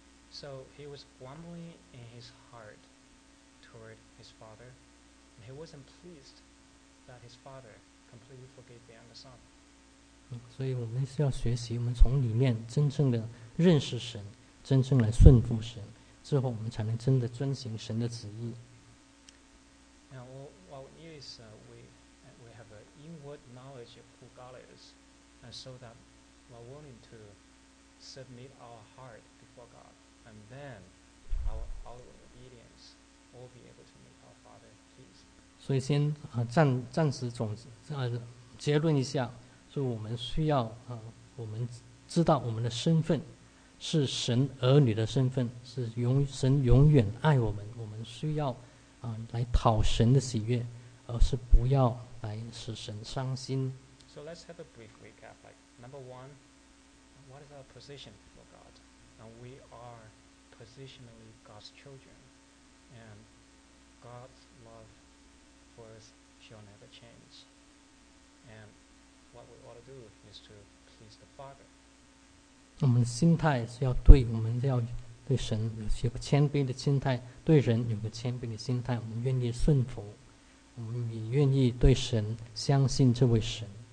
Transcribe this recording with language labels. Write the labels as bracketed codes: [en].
[en] So he was grumbling in his heart toward his father, and he wasn't pleased that his father completely forgave the younger son. [zh] 所以我们是要学习，我们从里面真正的认识神，真正来顺服神。之后我们才能真的遵行神的旨意。 [en] Now, what we need is we have an inward knowledge of who God is, and so that we're willing to submit our heart before God, and then our outward obedience will be able to make our Father pleased. [zh] 所以先暂时总结论一下，就我们需要我们知道我们的身份。是神儿女的身份，是神永远爱我们。我们需要来讨神的喜悦，而是不要来使神伤心。 [en] So let's have a brief recap. Like number one, what is our position before God? And we are positionally God's children, and God's love for us shall never change. And what we ought to do is to please the Father. [zh] 我们的心态是要对，我们要对神有个谦卑的心态，对人有个谦卑的心态，我们愿意顺服，我们也愿意对神相信这位神。